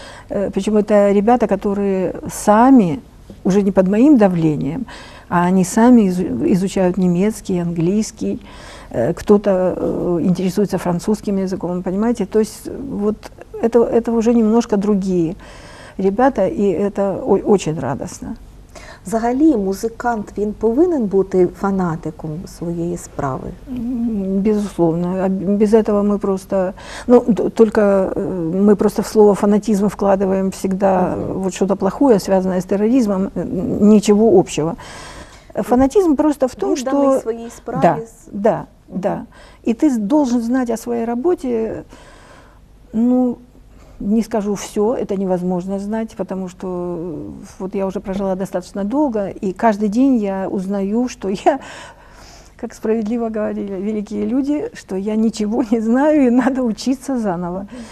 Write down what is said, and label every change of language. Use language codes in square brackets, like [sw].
[ru] Причем это ребята, которые сами, уже не под моим давлением, а они сами изучают немецкий, английский. Кто-то интересуется французским языком, понимаете? То есть вот это уже немножко другие ребята, и это очень радостно. [uk] Взагалі, музикант, він повинен бути фанатиком своєї справи? [ru] Безусловно. Без этого мы просто... Ну, только мы просто в слово фанатизм вкладываем всегда вот что-то плохое, связанное с терроризмом, ничего общего. Фанатизм просто в том, что... [uk] Він даний своїй справі... [ru] Да, да. Да. И ты должен знать о своей работе, ну, не скажу все, это невозможно знать, потому что вот я уже прожила достаточно долго, и каждый день я узнаю, что я, как справедливо говорили великие люди, что я ничего не знаю, и надо учиться заново.